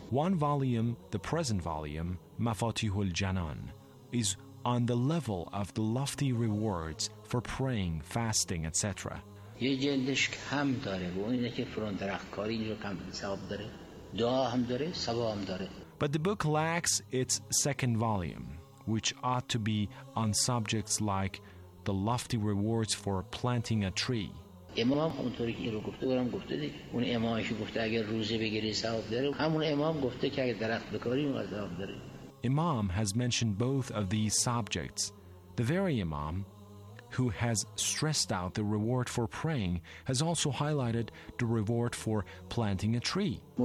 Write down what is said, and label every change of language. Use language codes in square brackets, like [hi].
[en] One volume, the present volume, مفاتیح الجنان, is on the level of the lofty rewards for praying, fasting, etc. [fa] یه جلدش کم داره و اون اینه که فرون درختکاری اینجا کم ثواب داره دعا هم داره ثواب هم داره. [en] But the book lacks its second volume, which ought to be on subjects like the lofty rewards for planting a tree. [fa] امام اونطوری که این رو گفته بارم گفته دی اون امامی که گفته اگر روزه بگیری ثواب داره همون امام گفته که اگر درخت بکاری اون ثواب داره. [en] Imam has mentioned both of these subjects. The very Imam who has stressed out the reward for praying has also highlighted the reward for planting a tree.